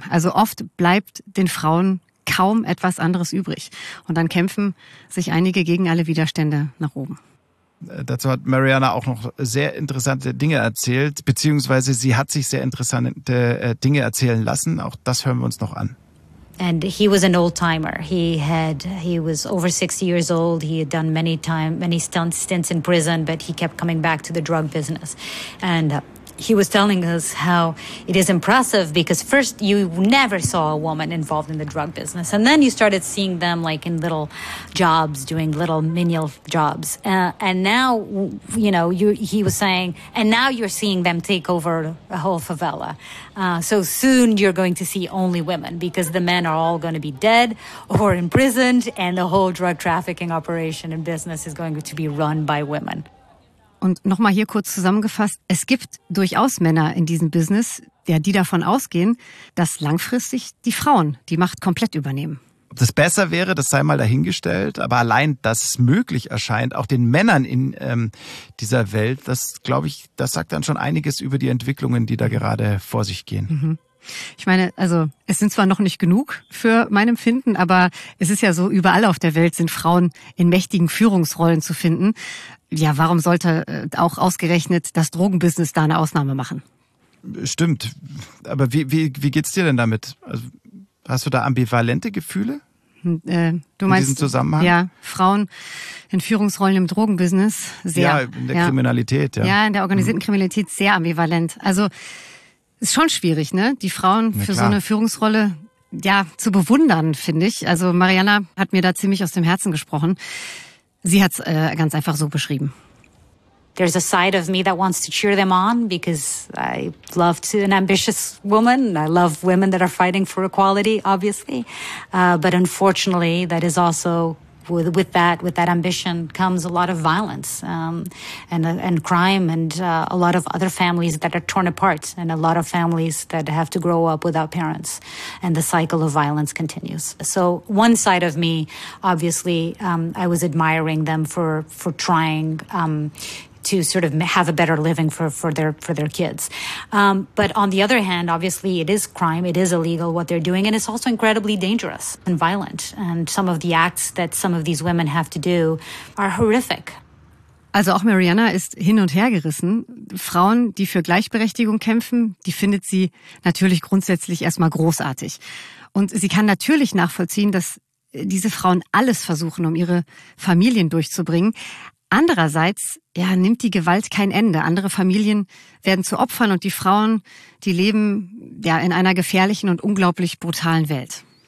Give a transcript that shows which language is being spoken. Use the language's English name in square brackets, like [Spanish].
[German] Also oft bleibt den Frauen kaum etwas anderes übrig. Und dann kämpfen sich einige gegen alle Widerstände nach oben. Dazu hat Mariana auch noch sehr interessante Dinge erzählt, beziehungsweise sie hat sich sehr interessante Dinge erzählen lassen. Auch das hören wir uns noch an. [English] And he was an old timer. He was over 60 years old. He had done many stints in prison, but he kept coming back to the drug business. And he was telling us how it is impressive because first you never saw a woman involved in the drug business. And then you started seeing them like in little jobs, doing little menial jobs. And now, you know, he was saying, and now you're seeing them take over a whole favela. So soon you're going to see only women because the men are all going to be dead or imprisoned. And the whole drug trafficking operation and business is going to be run by women. [German] Und nochmal hier kurz zusammengefasst, es gibt durchaus Männer in diesem Business, die davon ausgehen, dass langfristig die Frauen die Macht komplett übernehmen. Ob das besser wäre, das sei mal dahingestellt, aber allein, dass es möglich erscheint, auch den Männern in dieser Welt, das glaube ich, das sagt dann schon einiges über die Entwicklungen, die da gerade vor sich gehen. Mhm. Ich meine, also es sind zwar noch nicht genug für mein Empfinden, aber es ist ja so, überall auf der Welt sind Frauen in mächtigen Führungsrollen zu finden. Ja, warum sollte auch ausgerechnet das Drogenbusiness da eine Ausnahme machen? Stimmt, aber wie geht's dir denn damit? Also, hast du da ambivalente Gefühle? Du meinst, in diesem Zusammenhang? Ja, Frauen in Führungsrollen im Drogenbusiness sehr. Ja, in der Kriminalität, ja. Ja, in der organisierten Kriminalität sehr ambivalent. Also ist schon schwierig, ne? Die Frauen für so eine Führungsrolle zu bewundern, finde ich. Also Mariana hat mir da ziemlich aus dem Herzen gesprochen. Sie hat es ganz einfach so beschrieben. [English] There's a side of me that wants to cheer them on because I love to an ambitious woman. I love women that are fighting for equality, obviously. But unfortunately, that is also with that ambition comes a lot of violence and crime and a lot of other families that are torn apart and a lot of families that have to grow up without parents and the cycle of violence continues. So one side of me, obviously, I was admiring them for trying to sort of have a better living for their kids. But on the other hand, obviously it is crime, it is illegal what they're doing, and it's also incredibly dangerous and violent. And some of the acts that some of these women have to do are horrific. [German] Also auch Mariana ist hin und her gerissen. Frauen, die für Gleichberechtigung kämpfen, die findet sie natürlich grundsätzlich erstmal großartig. Und sie kann natürlich nachvollziehen, dass diese Frauen alles versuchen, um ihre Familien durchzubringen. Andererseits nimmt die Gewalt kein Ende. Andere Familien werden zu Opfern und die Frauen, die leben in einer gefährlichen und unglaublich brutalen Welt.